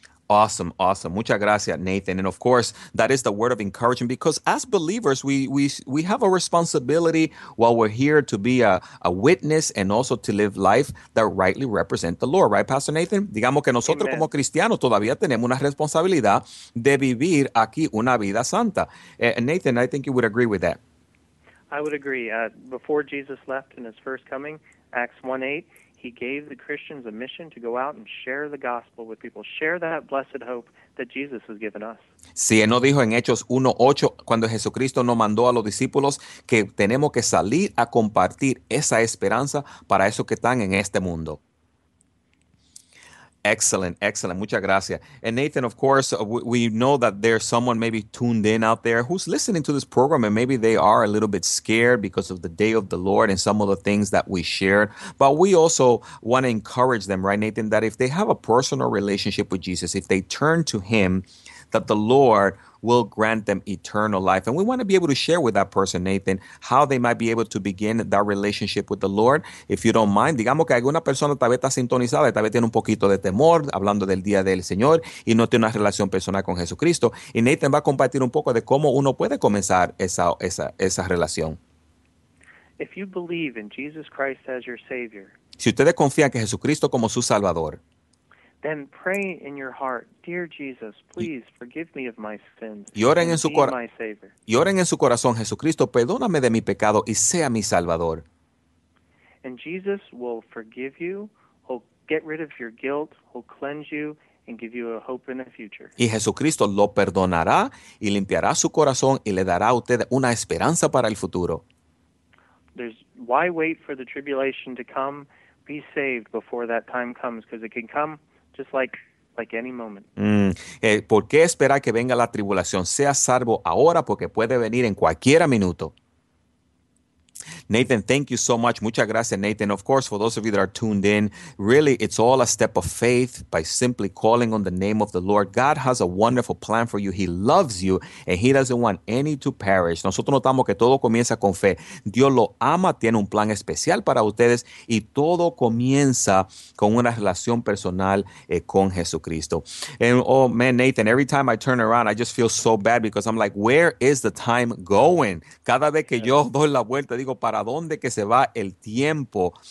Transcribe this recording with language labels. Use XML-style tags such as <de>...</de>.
<en>Awesome, awesome.</en> <es>Muchas gracias, Nathan.</es> <en>And of course, that is the word of encouragement because as believers, we have a responsibility while we're here to be a witness and also to live life that rightly represent the Lord. Right, Pastor Nathan?</en> <es>Digamos que nosotros Amen. Como cristianos todavía tenemos una responsabilidad de vivir aquí una vida santa.</es> <en>Nathan, I think you would agree with that. I would agree. Before Jesus left in his first coming, Acts 1:8, he gave the Christians a mission to go out and share the gospel with people, share that blessed hope that Jesus has given us.</en> <es>Sí, él nos dijo en Hechos 1:8, cuando Jesucristo nos mandó a los discípulos, que tenemos que salir a compartir esa esperanza para esos que están en este mundo.</es> <en>Excellent, excellent.</en> <es>Muchas gracias.</es> <en>And Nathan, of course, we know that there's someone maybe tuned in out there who's listening to this program, and maybe they are a little bit scared because of the day of the Lord and some of the things that we shared. But we also want to encourage them, right, Nathan, that if they have a personal relationship with Jesus, if they turn to him, that the Lord will grant them eternal life. And we want to be able to share with that person, Nathan, how they might be able to begin that relationship with the Lord. If you don't mind,</en> <es>digamos que alguna persona tal vez está sintonizada, tal vez tiene un poquito de temor, hablando del día del Señor, y no tiene una relación personal con Jesucristo. Y Nathan va a compartir un poco de cómo uno puede comenzar esa relación.</es> <en>If you believe in Jesus Christ as your Savior,</en> <es>si ustedes confían que Jesucristo como su Salvador,</es> <en>then pray in your heart, dear Jesus, please forgive me of my sins.</en> <es>Y oren en su corazón, Jesucristo, perdóname de mi pecado y sea mi Salvador.</es> <en>And Jesus will forgive you, he'll get rid of your guilt, he'll cleanse you and give you a hope in the future.</en> <es>Y Jesucristo lo perdonará y limpiará su corazón y le dará a usted una esperanza para el futuro.</es> <en>Why wait for the tribulation to come? Be saved before that time comes, because it can come just like any moment.</en> <es>¿Por qué esperar que venga la tribulación? Sea salvo ahora porque puede venir en cualquier minuto.</es> <en>Nathan, thank you so much.</en> <es>Muchas gracias, Nathan.</es> <en>Of course, for those of you that are tuned in, really, it's all a step of faith by simply calling on the name of the Lord. God has a wonderful plan for you. He loves you, and he doesn't want any to perish.</en> <es>Nosotros notamos que todo comienza con fe. Dios lo ama, tiene un plan especial para ustedes, y todo comienza con una relación personal con Jesucristo.</es> <en>And, oh, man, Nathan, every time I turn around, I just feel so bad because I'm like, where is the time going?</en> <es>Cada vez que yo doy la vuelta, digo, ¿para dónde que se va el tiempo?</es>